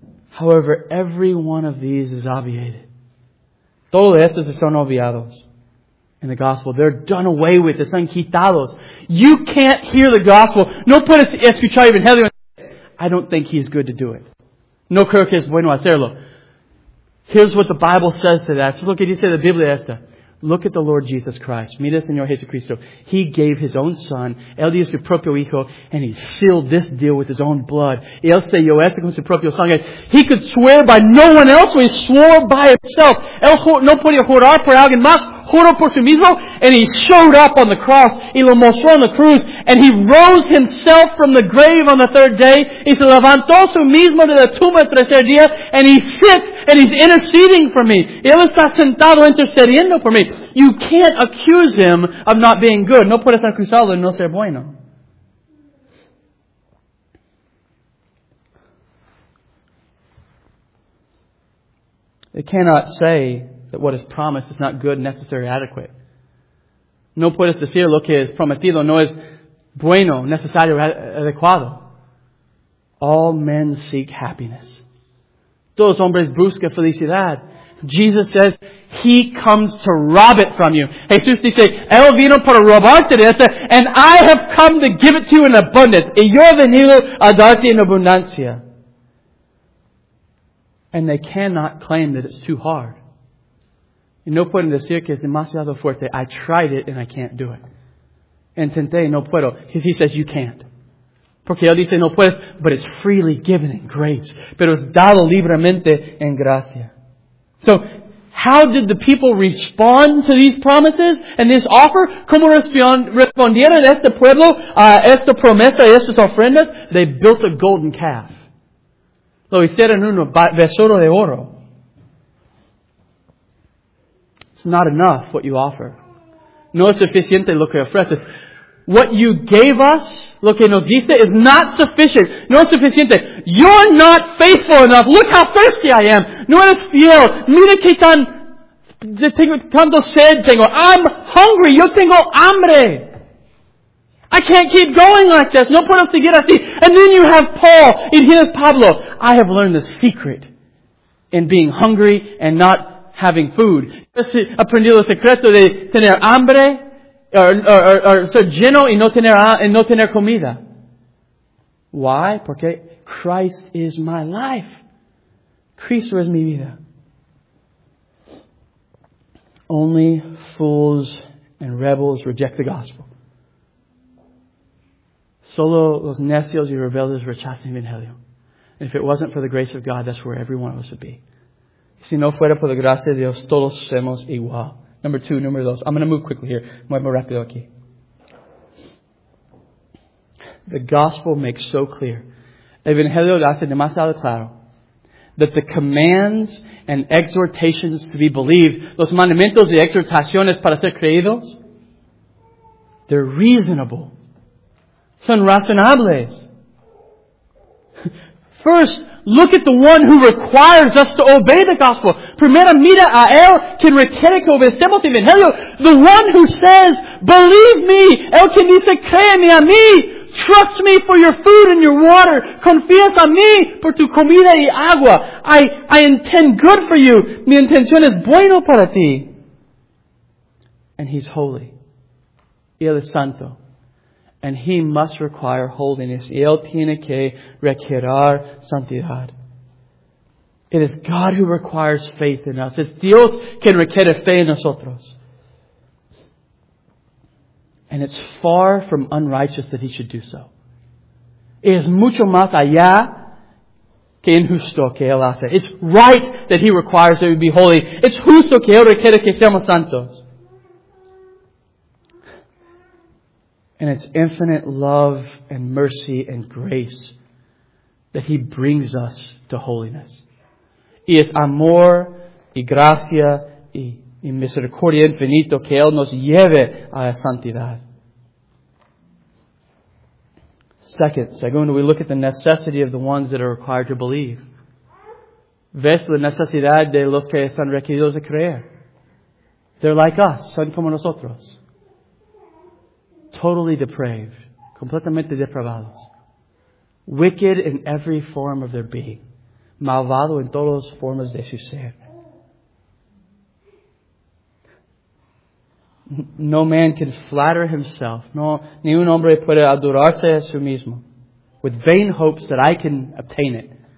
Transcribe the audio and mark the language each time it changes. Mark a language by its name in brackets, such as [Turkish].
[English] However, every one of these is obviated. [Spanish] Todos estos son obviados [English] in the gospel. They're done away with. [Spanish] Están quitados. [English] You can't hear the gospel. [Spanish] No puedes escuchar el evangelio. [English] I don't think he's good to do it. [Spanish] No creo que es bueno hacerlo. [English] Here's what the Bible says to that. [Spanish] Es lo que dice la Biblia esta. [English] Look at the Lord Jesus Christ. [Spanish] Mira, Señor Jesucristo. [English] He gave His own Son. [Spanish] Él dio su propio Hijo. [English] And He sealed this deal with His own blood. [Spanish] Él selló esto con su propio sangre. [English] He could swear by no one else. So He swore by Himself. [Spanish] Él no podía jurar por alguien más. Juró por sí mismo. [English] And He showed up on the cross. [Spanish] Y lo mostró en la cruz. [English] And He rose Himself from the grave on the third day. [Spanish] Y se levantó su mismo de la tumba el tercer día. [English] And He sits and He's interceding for me. [Spanish] Él está sentado intercediendo por mí. [English] You can't accuse Him of not being good. [Spanish] No puedes acusarlo de no ser bueno. [English] They cannot say that what is promised is not good, necessary, adequate. [Spanish] No puedes decir lo que es prometido no es bueno, necesario, adecuado. [English] All men seek happiness. [Spanish] Todos hombres buscan felicidad. [English] Jesus says, He comes to rob it from you. [Spanish] Jesús dice, Él vino para robarte de eso, [English] and I have come to give it to you in abundance. [Spanish] Y yo he venido a darte en abundancia. [English] And they cannot claim that it's too hard. [Spanish] Y no pueden decir que es demasiado fuerte. [English] I tried it and I can't do it. [Spanish] Intenté, no puedo. [English] Because He says, you can't. [Spanish] Porque Él dice, no puedes. [English] But it's freely given in grace. [Spanish] Pero es dado libremente en gracia. [English] So, how did the people respond to these promises and this offer? [Spanish] ¿Cómo respondieron este pueblo a esta promesa y estas ofrendas? [English] They built a golden calf. [Spanish] Lo hicieron un vaso de oro. [English] It's not enough what you offer. [Spanish] No es suficiente lo que ofreces. [English] What you gave us, [Spanish] lo que nos diste, [English] is not sufficient. [Spanish] No es suficiente. [English] You're not faithful enough. Look how thirsty I am. [Spanish] No eres fiel. Mira que tan... tanto sed tengo. [English] I'm hungry. [Spanish] Yo tengo hambre. [English] I can't keep going like this. [Spanish] No puedo seguir así. [English] And then you have Paul. [Spanish] Y tienes Pablo. [English] I have learned the secret in being hungry and not having food. [Spanish] Aprendí el secreto de tener hambre. Or ser lleno y no tener comida. [English] Why? [Spanish] Porque [English] Christ is my life. [Spanish] Cristo es mi vida. [English] Only fools and rebels reject the gospel. [Spanish] Solo los necios y rebeldes rechazan el evangelio. [English] And if it wasn't for the grace of God, that's where every one of us would be. [Spanish] Si no fuera por la gracia de Dios, todos seremos igual. [English] Number two, [Spanish] número dos. [English] I'm going to move quickly here. [Spanish] Muy rápido aquí. [English] The gospel makes so clear. [Spanish] Evangelio hace demasiado claro. [English] That the commands and exhortations to be believed, [Spanish] los mandamientos y exhortaciones para ser creídos, [English] they're reasonable. [Spanish] Son razonables. [English] First, look at the one who requires us to obey the gospel. [Spanish] Primera mira a él quien requiere que obedecemos el evangelio. [English] The one who says, believe me. [Spanish] El quien dice, créeme a mí. [English] Trust me for your food and your water. [Spanish] Confías a mí por tu comida y agua. [English] I intend good for you. [Spanish] Mi intención es bueno para ti. [English] And he's holy. [Spanish] Y él es santo. [English] And he must require holiness. [Spanish] Y él tiene que requerir santidad. [English] It is God who requires faith in us. [Spanish] It's Dios quien requiere fe en nosotros. [English] And it's far from unrighteous that he should do so. [Spanish] Es mucho más allá que injusto que él hace. [English] It's right that he requires that we be holy. [Spanish] It's justo que él requiere que seamos santos. [English] And it's infinite love and mercy and grace that he brings us to holiness. [Spanish] Y es amor y gracia y misericordia infinito que él nos lleve a la santidad. [English] Second, we look at the necessity of the ones that are required to believe. [Spanish] Ves la necesidad de los que están requeridos de creer. [English] They're like us, [Spanish] son como nosotros. [English] Totally depraved. [Spanish] Completamente depravados. [English] Wicked in every form of their being. [Spanish] Malvado en todas las formas de su ser. [English] No man can flatter himself. [Spanish] No, ni un hombre puede adorarse a sí mismo. [English] With vain hopes that I can obtain it.